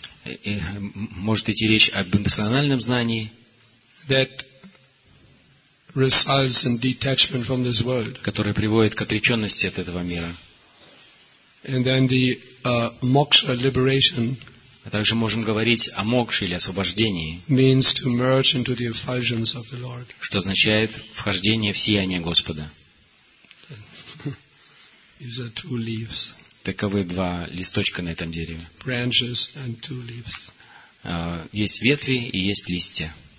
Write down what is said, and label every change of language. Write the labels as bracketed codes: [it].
[ru] И, может идти речь об имперсональном знании. [en] That results in detachment from this world. [ru] Которое приводит к отреченности от этого мира. [en] And then the moksha, liberation. [ru] А также можем говорить о мокше или освобождении. [en] Means to merge into the effulgence of the Lord. [ru] Что означает вхождение в сияние Господа. [en] These are two leaves. [ru] Таковы два листочка на этом дереве. [en] Branches and two leaves. [ru] Есть ветви и есть листья.